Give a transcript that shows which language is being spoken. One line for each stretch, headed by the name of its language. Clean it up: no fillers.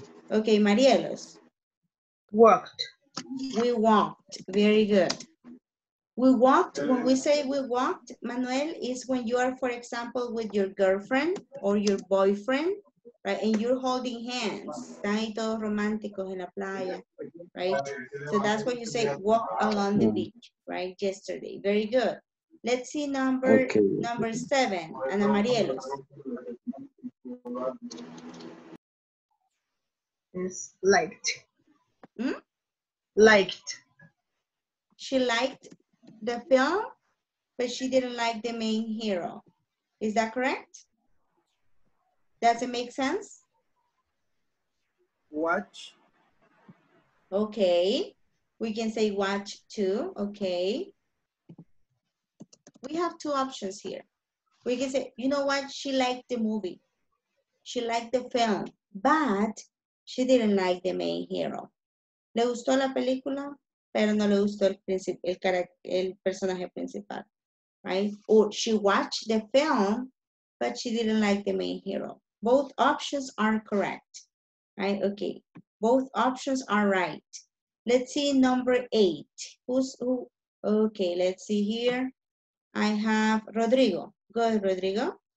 English: Okay, Marielos. Walked. We walked. Very good. We walked, when we say we walked, Manuel, is when you are, for example, with your girlfriend or your boyfriend, right? And you're holding hands.
Spanish: Están ahí todos románticos en la playa,
English: right? So that's what you say, walk along the beach, right? Yesterday. Very good. Let's see number number seven, Ana Marielos. Is liked. Hmm? Liked. She liked the film, but she didn't like the main hero. Is that correct? Does it make sense? Watch. Okay. We can say watch too. Okay. We have two options here. We can say, you know what? She liked the movie. She liked the film, but she didn't like the main hero.
Spanish: Le gustó la película, pero no le gustó el personaje principal,
English: right? Or she watched the film, but she didn't like the main hero. Both options are correct, right? Okay, both options are right. Let's see number eight. Okay, let's see here. I have Rodrigo. Go ahead, Rodrigo.